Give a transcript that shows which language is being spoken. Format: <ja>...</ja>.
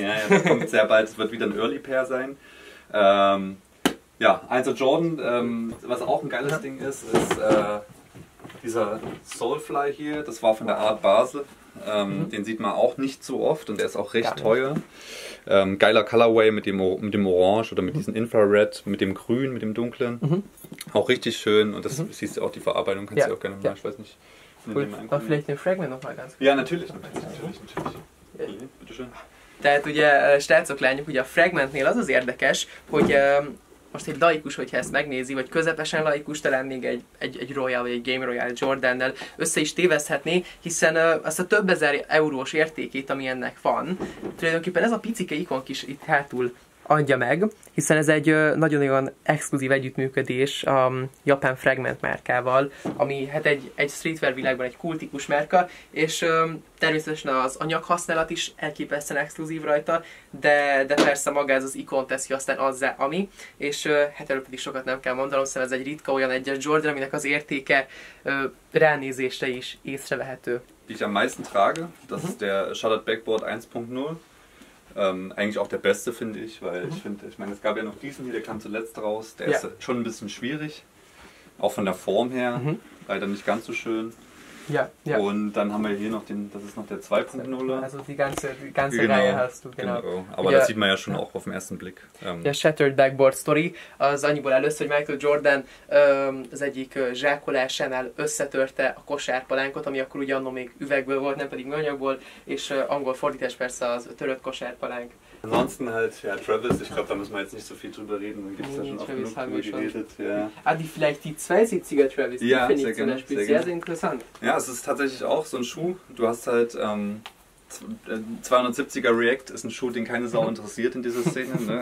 <de>Ja, das kommt sehr bald. Es wird wieder ein Early Pair sein. Ja, also Jordan, was auch ein geiles Ding ist, ist dieser Soulfly hier, das war von der Art Basel, den sieht man auch nicht so oft und der ist auch recht teuer. Geiler Colorway mit dem Orange oder mit diesem Infrared, mit dem Grün, mit dem Dunklen, auch richtig schön und das siehst du auch die Verarbeitung, kannst du auch gerne mal, ich weiß nicht. Cool. Vielleicht den Fragment nochmal ganz kurz. Ja, natürlich. Ja. Hier, bitteschön.</de> <hu>Tehát ugye, stelt szok lányok, ugye a Fragmentnél az az érdekes, hogy most egy laikus, hogyha ezt megnézi, vagy közepesen laikus, talán még egy Royal vagy egy Game Royale Jordannel össze is tévezhetné, hiszen azt a több ezer eurós értékét, ami ennek van, tulajdonképpen ez a picike ikon kis itt hátul adja meg, hiszen ez egy nagyon-nagyon exkluzív együttműködés a Japan Fragment márkával, ami hát egy streetwear világban egy kultikus márka, és természetesen az anyaghasználat is elképesztően exkluzív rajta, de persze maga ez az ikon teszi aztán azzá, ami, és hát erről pedig sokat nem kell mondanom, hiszen ez egy ritka olyan egyes Jordan, aminek az értéke ránézésre is észrevehető.</hu> <de>Ich am meisten trage, das ist der Shuttered Backboard 1.0, eigentlich auch der beste, finde ich, weil ich finde, ich meine, es gab ja noch diesen hier, der kam zuletzt raus, der ist schon ein bisschen schwierig, auch von der Form her, leider nicht ganz so schön. Ja, ja. Und dann haben wir hier noch den, das ist noch der 2.0. Also die ganze genau. Reihe hast du, genau. Aber das sieht man ja schon auch auf den ersten Blick.</de> <hu>Der Shattered Backboard Story, az annyiból először, hogy Michael Jordan az egyik zsákolásánál összetörte a kosárpalánkot, ami akkor ugye annó még üvegből volt, nem pedig műanyagból, és angol fordítás persze az törött kosárpalánk.</hu> <de>Ansonsten halt, ja, Travis, ich glaube, da müssen wir jetzt nicht so viel drüber reden, da gibt es ja schon oft genug drüber geredet. Ja. Ah, vielleicht die 270er Travis, die finde ich zum Beispiel sehr, sehr interessant. Ja, es ist tatsächlich auch so ein Schuh, du hast halt 270er React ist ein Schuh, den keine Sau interessiert in dieser Szene, ne?</de>